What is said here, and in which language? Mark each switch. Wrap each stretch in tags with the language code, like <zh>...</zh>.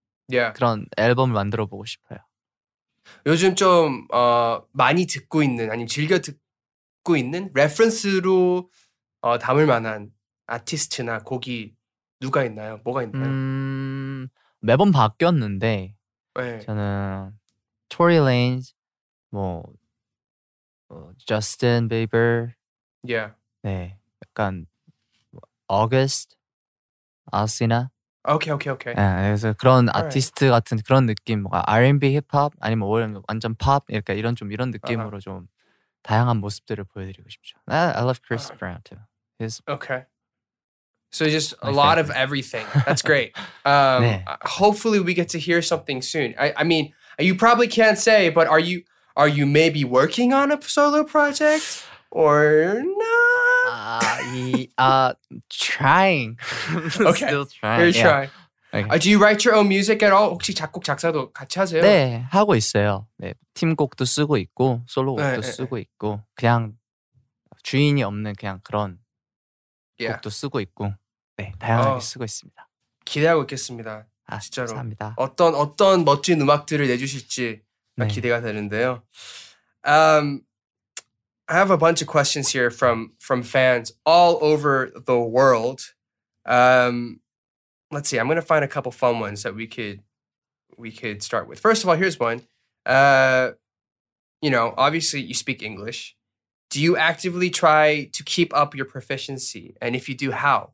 <en>yeah.</en> <ko>그런 앨범을 만들어보고 싶어요. 요즘 좀 많이 듣고 있는 아니면 즐겨 듣고 있는 레퍼런스로 담을 만한 아티스트나 곡이 누가 있나요? 뭐가 있나요? 매번 바뀌었는데 네. 저는 Tory Lanez, 뭐 Justin Bieber,</ko> <en>yeah.</en> <ko>네, 약간 August, Asina.</ko> <en>Okay, okay, okay.</en> <ko>네, 그래서 그런 All 아티스트 right. 같은 그런 느낌, 뭔가 R&B, 힙합 아니면 완전 팝 이렇게 이런 좀 이런 느낌으로 uh-huh. 좀 다양한 모습들을 보여드리고 싶죠.</ko> <en>I love Chris uh-huh. Brown too. He's okay. So just a lot of everything. That's great. hopefully we get to hear something soon. I mean, you probably can't say, but are you maybe working on a solo project or not? trying. Okay. Still trying. You're trying. Okay. Do you write your own music at all?</en> <ko>혹시 작곡 작사도 같이 하세요? 네, 하고 있어요. 네, 팀곡도 쓰고 있고 솔로곡도 네, 쓰고 네. 있고 그냥 주인이 없는 그냥 그런</ko> <en>yeah.</en> <ko>곡도 쓰고 있고. 네, 다양하게 쓰고 있습니다. 기대하고 있겠습니다. 아, 진짜로. 감사합니다. 어떤 멋진 음악들을 내주실지 네. 기대가 되는데요.</ko> <en>I have a bunch of questions here from fans all over the world. Let's see. I'm going to find a couple fun ones that we could start with. First of all, here's one. You know, obviously you speak English. Do you actively try to keep up your proficiency? And if you do, how?</en>